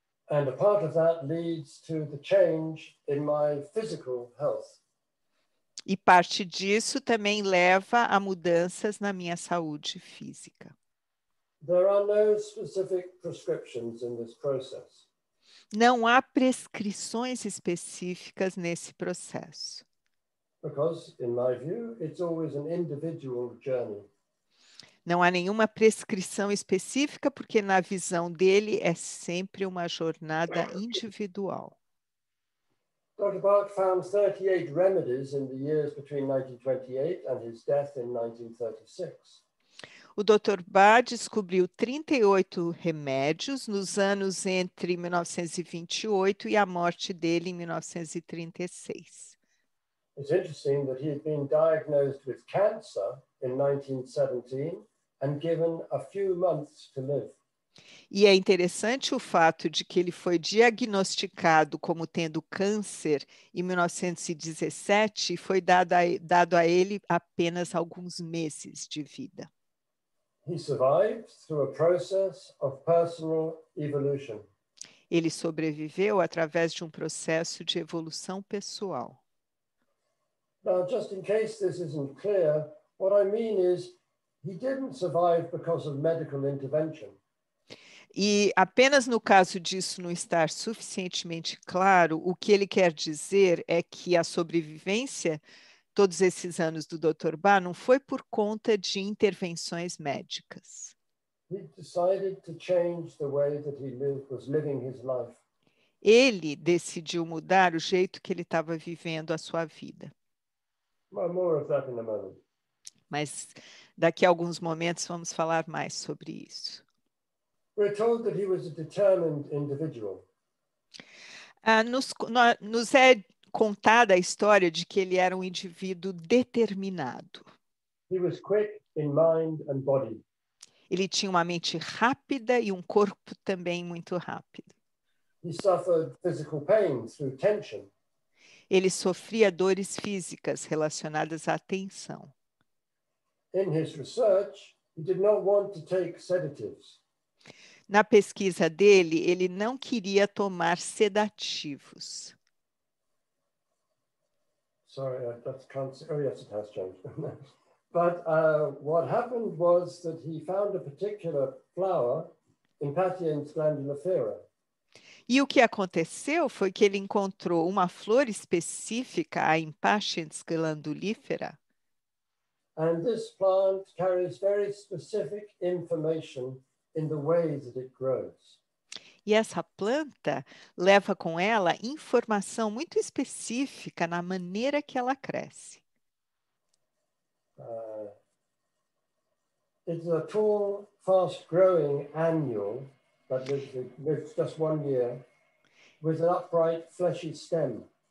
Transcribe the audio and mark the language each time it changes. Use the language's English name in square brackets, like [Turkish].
[English] And a part of that leads to the change in my physical health. [Portuguese] E parte disso também leva a mudanças na minha saúde física. [English] There are no specific prescriptions in this process. [Portuguese] Não há prescrições específicas nesse processo. [English] Because, in my view, it's always an individual journey. [Portuguese] Não há nenhuma prescrição específica, porque na visão dele é sempre uma jornada individual. [English] Dr. Bach found 38 remedies in the years between 1928 and his death in 1936. [Portuguese] O Dr. Bach descobriu 38 remédios nos anos entre 1928 e a morte dele em 1936. [English] It's interesting that he had been diagnosed with cancer in 1917 and given a few months to live. [Portuguese] E é interessante o fato de que ele foi diagnosticado como tendo câncer em 1917 e foi dado a ele apenas alguns meses de vida. [English] He survived through a process of personal evolution. [Portuguese] Ele sobreviveu através de um processo de evolução pessoal. [English] Now, just in case this isn't clear, what I mean is he didn't survive because of medical intervention. [Portuguese] E apenas no caso disso não estar suficientemente claro, o que ele quer dizer é que a sobrevivência, todos esses anos do Dr. Bach, não foi por conta de intervenções médicas. [English] He decided to change the way that he lived, was living his life. [Portuguese] Ele decidiu mudar o jeito que ele estava vivendo a sua vida. [English] More of that in a moment. [Portuguese] Mas daqui a alguns momentos vamos falar mais sobre isso. [English] We're told that he was a determined individual. [Portuguese] Nos é contada a história de que ele era um indivíduo determinado. [English] He was quick in mind and body. [Portuguese] Ele tinha uma mente rápida e um corpo também muito rápido. [English] He suffered physical pain through tension. [Portuguese] Ele sofria dores físicas relacionadas à tensão. [English] In his research, he did not want to take sedatives. [Portuguese] Na pesquisa dele, ele não queria tomar sedativos. [English] Sorry, that's cancer. Oh, yes, it has changed. But what happened was that he found a particular flower, Impatiens glandulifera. [Portuguese] E o que aconteceu foi que ele encontrou uma flor específica, a Impatiens glandulifera. [English] And this plant carries very specific information in the way that it grows. [Portuguese] E essa planta leva com ela informação muito específica na maneira que ela cresce. [English] It's a tall, fast-growing annual that lives just one year with an upright, fleshy stem.